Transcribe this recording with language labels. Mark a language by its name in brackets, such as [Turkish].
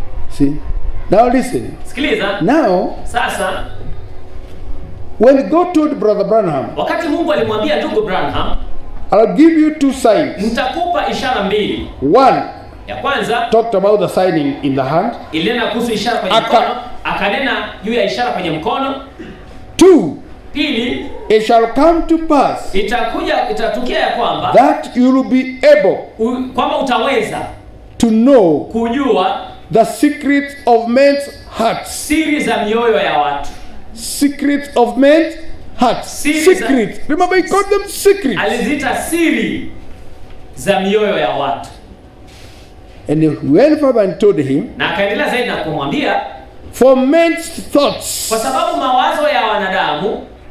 [English] See? Now listen. [Swahili] Sikiliza. [English] Now. [Swahili] Sasa. [English] When God told Brother Branham, [Swahili] wakati Mungu alimwambia ndugu Branham, [English] I'll give you two signs. [Swahili] Nitakupa ishara mbili. [English] One. [Swahili] Ya kwanza [English] talked about the sign in the hand. [Swahili] Ilena kuhusu ishara kwenye mkono. Akanena juu ya ishara kwenye mkono. [English] Two. [Swahili] Pili. [English] It shall come to pass. [Swahili] Itatukia ya kwamba [English] that you will be able. [Swahili] Kwamba utaweza [English] to know. [Swahili] Kujua [English] the secrets of men's hearts. [Swahili] Siri za mioyo ya watu. [English] Secrets of men's hearts. Secrets. Remember, he called them secrets. [Swahili] Alizita siri za mioyo ya watu. [English] And he went further and told him, [Swahili] na akaendelea zaidi na kumwambia, [English] for men's thoughts, [Swahili] kwa sababu mawazo ya wanadamu,